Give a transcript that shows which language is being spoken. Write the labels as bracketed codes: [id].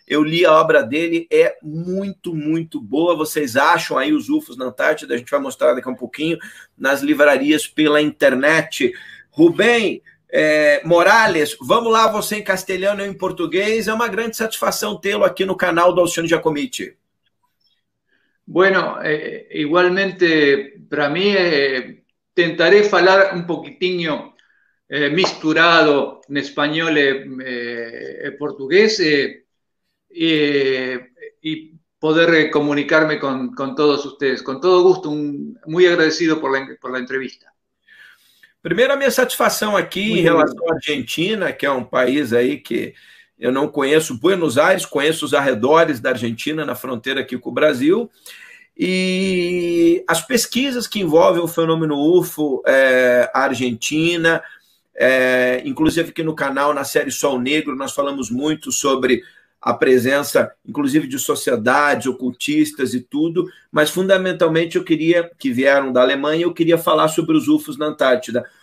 [pt] Eu li a obra dele, é muito, muito boa. Vocês acham aí os UFOs na Antártida? A gente vai mostrar daqui a um pouquinho nas livrarias pela internet. Rubem, Morales, vamos lá, você em castelhano e em português. É uma grande satisfação tê-lo aqui no canal do Alcione Giacometti. [es] Bueno, igualmente para mí tentaré hablar un [pt] poquitinho misturado [es] en español portugués y poder comunicarme con todos ustedes. Con todo gusto, muy agradecido por la entrevista. [pt] Primeiro, a minha satisfação aqui em Muito relação obrigado. à Argentina, que é um país aí que eu não conheço, Buenos Aires, conheço os arredores da Argentina, na fronteira aqui com o Brasil. E as pesquisas que envolvem o fenômeno UFO, a Argentina, inclusive aqui no canal, na série Sol Negro, nós falamos muito sobre a presença, inclusive, de sociedades ocultistas e tudo, mas fundamentalmente eu queria, que vieram da Alemanha, eu queria falar sobre os UFOs na Antártida.